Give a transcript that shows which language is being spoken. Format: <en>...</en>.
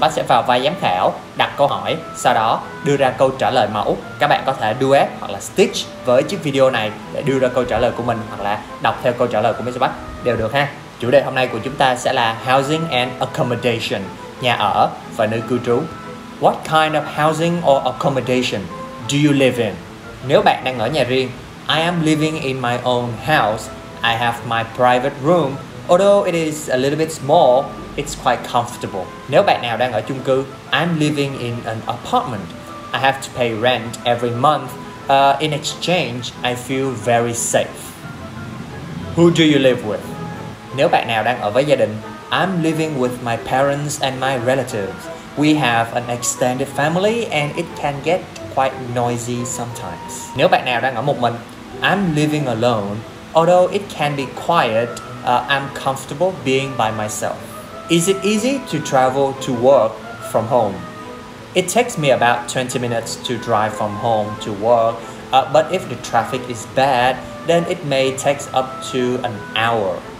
<vi>Park sẽ vào vai giám khảo, đặt câu hỏi, sau đó đưa ra câu trả lời mẫu. Các bạn có thể duet hoặc là stitch với chiếc video này để đưa ra câu trả lời của mình hoặc là đọc theo câu trả lời của Mr. Park đều được ha. Chủ đề hôm nay của chúng ta sẽ là</vi> <en>Housing and Accommodation,</en> <vi>nhà ở và nơi cư trú.</vi> <en>What kind of housing or accommodation do you live in?</en> <vi>Nếu bạn đang ở nhà riêng,</vi> <en>I am living in my own house. I have my private room. Although it is a little bit small, it's quite comfortable.</en> <vi>Nếu bạn nào đang ở chung cư,</vi> <en>I'm living in an apartment. I have to pay rent every month. In exchange, I feel very safe. Who do you live with?</en> <vi>Nếu bạn nào đang ở với gia đình,</vi> <en>I'm living with my parents and my relatives. We have an extended family and it can get quite noisy sometimes.</en> <vi>Nếu bạn nào đang ở một mình,</vi> <en>I'm living alone. Although it can be quiet, I'm comfortable being by myself. Is it easy to travel to work from home? It takes me about 20 minutes to drive from home to work, but if the traffic is bad, then it may take up to an hour.</en>